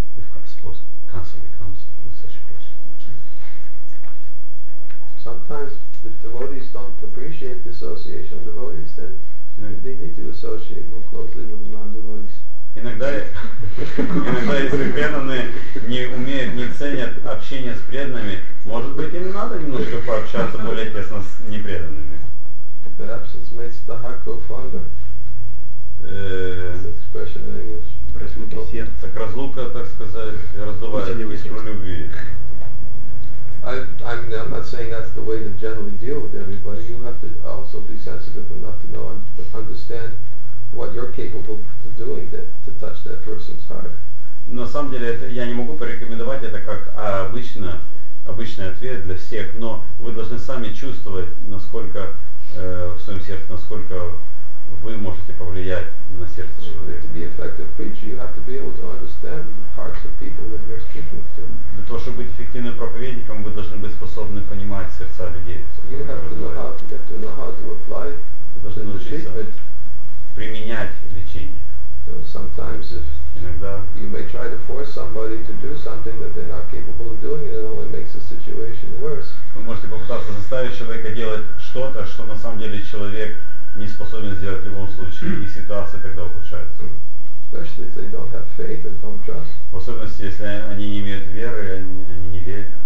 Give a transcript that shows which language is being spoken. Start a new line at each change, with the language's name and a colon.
English: If suppose council becomes with such a question. Sometimes if devotees don't appreciate the association of devotees, then they need to associate more closely with the non-devotees.
Russian: Иногда если преданные не умеют, не ценят общение с преданными, может быть, им надо немножко пообщаться более тесно с непреданными.
English: Perhaps it's made the heart grow fonder. This expression in English.
Russian: Разлука сердца. Как разлука, так сказать, раздувает искру любви.
English: I'm not saying that's the way to generally deal with everybody. You have to also be sensitive enough to know and understand what you're capable of doing to touch that person's heart.
Russian: На самом деле, я не могу порекомендовать это как обычный ответ для всех, но вы должны сами чувствовать, насколько в своем сердце, насколько вы можете повлиять на сердце человека.
English: To be effective preacher, you have to be able to understand the hearts of people that you're speaking to.
Russian: Для того, чтобы быть эффективным проповедником, вы должны быть способны понимать сердца людей.
English: You have to know how to apply
Russian: вы должны научиться применять лечение.
English: So sometimes if
Russian: иногда
English: you may try to force somebody to do something that they're not capable of doing, it only makes the situation worse.
Russian: Вы можете попытаться заставить человека делать что-то, что на самом деле человек не способен сделать в любом случае, и ситуация тогда ухудшается.
English: Especially if they don't have faith and don't trust.
Russian: В особенности, если они не имеют веры, они не верят.